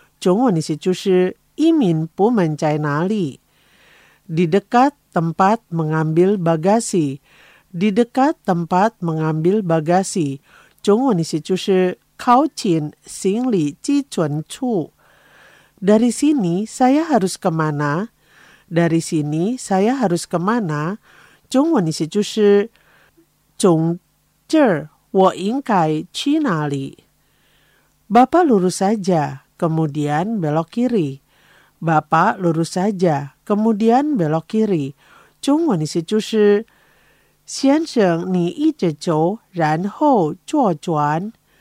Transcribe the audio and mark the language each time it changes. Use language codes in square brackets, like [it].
[zh] 中文意思就是移民部门在哪里。 [id] Di dekat tempat mengambil bagasi. Di dekat tempat mengambil bagasi. [zh] 中文意思就是靠近行李寄存处。 [id] Dari sini saya harus kemana? Dari sini saya harus kemana? [zh] 中文意思就是从这儿我应该去哪里。 [id] Bapak lurus saja， kemudian belok kiri。 Bapak lurus saja， kemudian belok kiri。 [zh] 中文意思就是先生你一直走然后左转。